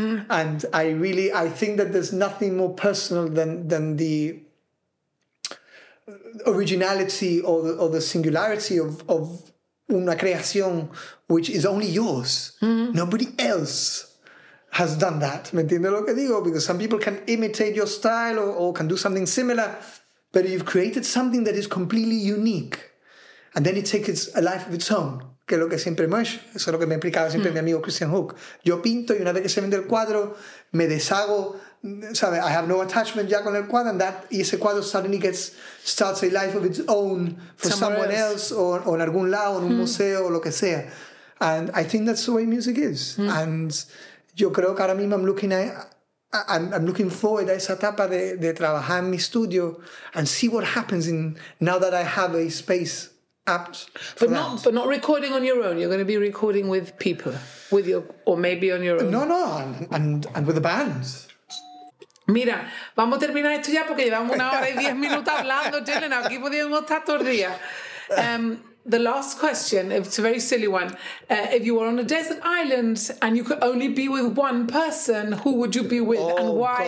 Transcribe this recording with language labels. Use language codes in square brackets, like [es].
[en] And I think that there's nothing more personal than the originality or the singularity of [es] una creación [en] which is only yours. Nobody else has done that. [es] ¿Me entiendes lo que digo? [en] Because some people can imitate your style or can do something similar. But you've created something that is completely unique. And then it takes a life of its own. [es] Que es lo que siempre me he hecho. Eso es lo que me explicaba siempre mi amigo Christian Hook. Yo pinto y una vez que se vende el cuadro, me deshago, ¿sabe? [en] I have no attachment [es] ya con el cuadro. [en] And that, [es] y ese cuadro [en] suddenly starts a life of its own for someone else or [es] en algún lado, en un museo o lo que sea. [en] And I think that's the way music is. And [es] yo creo que ahora mismo [en] I'm looking forward [es] a esa etapa de trabajar en mi estudio [en] and see what happens in now that I have a space apt for that. But not recording on your own. You're going to be recording with people, with your or maybe on your own. No, and with the bands. [es] Mira, vamos a terminar esto ya porque llevamos una hora y 10 minutos hablando, Dylan. Aquí podíamos estar todo el día. [en] The last question, it's a very silly one. If you were on a desert island and you could only be with one person, who would you be with and why?